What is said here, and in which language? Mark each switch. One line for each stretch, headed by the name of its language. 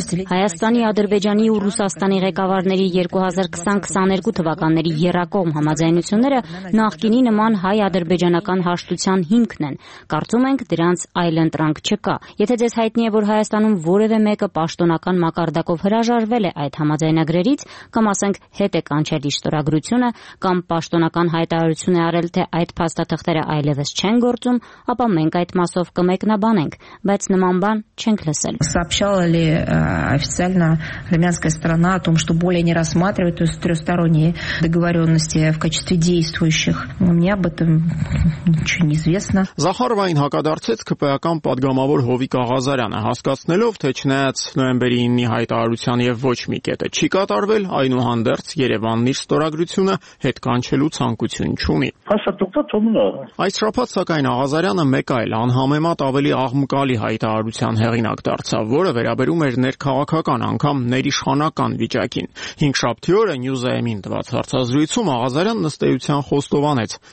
Armenian: Հայաստանի, Ադրբեջանի ու Ռուսաստանի ղեկավարների 2020-2022 թվականների եռակողմ համաձայնությունները նախկինի նման հայ-ադրբեջանական հաշտության հիմքն են։ Կարծում ենք, դրանց այլընտրանք չկա։ Եթե ձեզ հայտնի է, որ Հայաստանում որևէ մեկը պաշտոնական մակարդակով հրաժարվել է այդ համաձայնագրերից, կամ ասենք հետ է կանչել իր ստորագրությունը, կամ պաշտոնական հայտարարություն է արել, թե այդ փաստաթղթերը այլևս չեն գործում, ապա մենք այդ մասով կմեկնաբանենք, բայց նման բան չենք լսել։
Russian: Сообщала ли официально армянская сторона о том, что более не рассматривает эти трёхсторонние договорённости в качестве действующих? Мне об этом ничего не известно.
Armenian: Захарвайн հակադարձեց ԿՊԱ-ական падգամավոր Հովիկ Աղազարյանը, հասկացնելով, թե չնայած նոյեմբերի 9-ի հայտարարության եւ ոչ մի կետը չի կատարվել, այնուհանդերձ Երևանն իր ստորագրությունը հետ կանչելու ցանկություն չունի։ Այս շփոթ սակայն Աղազարյանը մեկ այլ անհամեմատ ավելի աղմկալի հայտարարության հեղինակ դարձավ, որը վերաբերում էր ներքաղաքական անգամ ներիշխանական վիճակին։ 5-7 օրը News AM-ին տված հարցազրույցում Աղազարյանն ըստեյության խոստովանեց.